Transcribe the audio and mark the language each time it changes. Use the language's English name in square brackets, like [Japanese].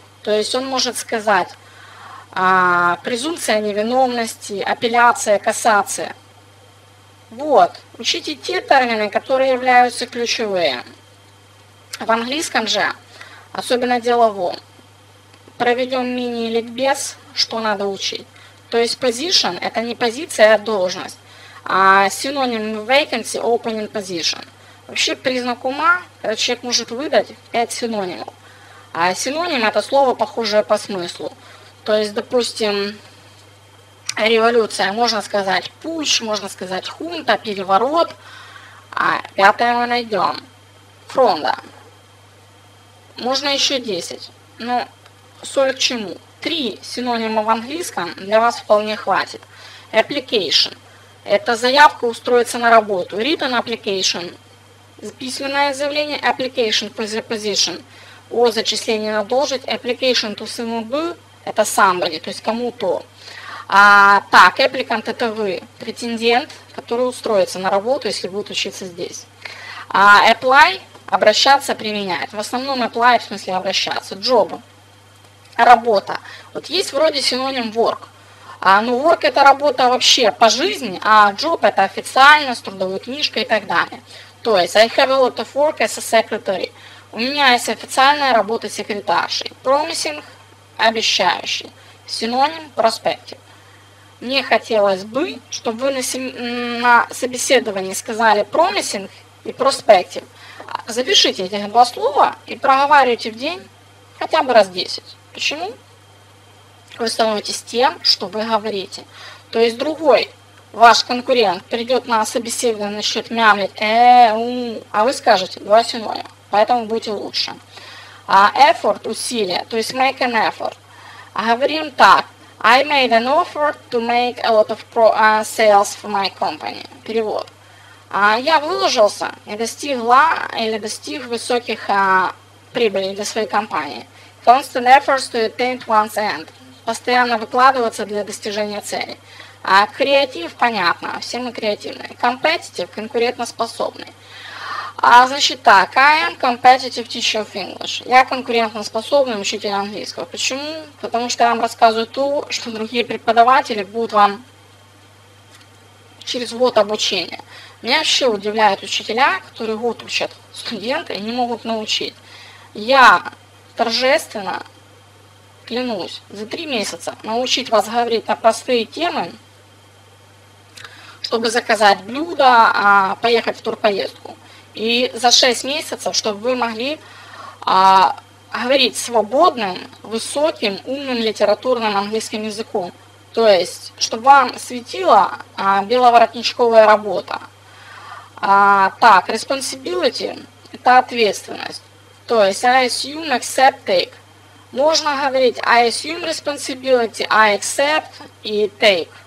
[Russian] То есть он может сказать презумпция невиновности, апелляция, кассация. Вот, учите те термины, которые являются ключевые. В английском же, особенно деловом, проведем мини-ликбез, что надо учить. То есть position – это не позиция, а должность. А синоним vacancy – opening position. Вообще признак ума, человек может выдать 5 синонимов. А синоним – это слово, похожее по смыслу. То есть, допустим, революция, можно сказать путч, можно сказать хунта, переворот. А пятое мы найдем. Фронда. Можно еще 10. Но соль к чему? 3 синонима в английском для вас вполне хватит. [English] Application. [Russian] Это заявка устроиться на работу. [English] Written application. [Russian] Письменное заявление. [English] Application for the position. [Russian] О зачислении на должность. [English] Application to somebody. [Russian] Это somebody, то есть кому-то. Так, applicant – это вы, претендент, который устроится на работу, если будет учиться здесь. Apply – обращаться, применять. В основном apply, в смысле обращаться. Job – работа. Вот есть вроде синоним work. Но work – это работа вообще по жизни, а job – это официально, с трудовой книжкой и так далее. [English] То есть, I have a lot of work as a secretary. [Russian] У меня есть официальная работа секретаршей. Promising – обещающий. Синоним проспектив. Мне хотелось бы, чтобы вы на собеседовании сказали promising и проспектив. Запишите эти два слова и проговаривайте в день хотя бы раз 10. Почему? Вы становитесь тем, что вы говорите. То есть другой ваш конкурент придет на собеседование, начнет мямлить, а вы скажете два синонима. Поэтому будьте лучше. [English] Effort – [Russian] усилия, то есть [English] make an effort. [Russian] Говорим так. [English] I made an offer to make a lot of sales for my company. [Russian] Перевод. Я выложился и достиг высоких прибылей для своей компании. [English] Constant efforts to attain one's end. [Russian] Постоянно выкладываться для достижения цели. Креатив – понятно, все мы креативные. Competitive – конкурентоспособный. Значит так, [English] I am competitive teacher of English. [Russian] Я конкурентоспособный учитель английского. Почему? Потому что я вам рассказываю то, что другие преподаватели будут вам через год обучения. Меня вообще удивляют учителя, которые год учат студенты и не могут научить. Я торжественно клянусь за 3 месяца научить вас говорить на простые темы, чтобы заказать блюдо, поехать в турпоездку. И за 6 месяцев, чтобы вы могли говорить свободным, высоким, умным, литературным английским языком. То есть, чтобы вам светила беловоротничковая работа. Так, responsibility – это ответственность. [English] То есть, I assume, accept, take. [Russian] Можно говорить [English] I assume responsibility, I accept и take.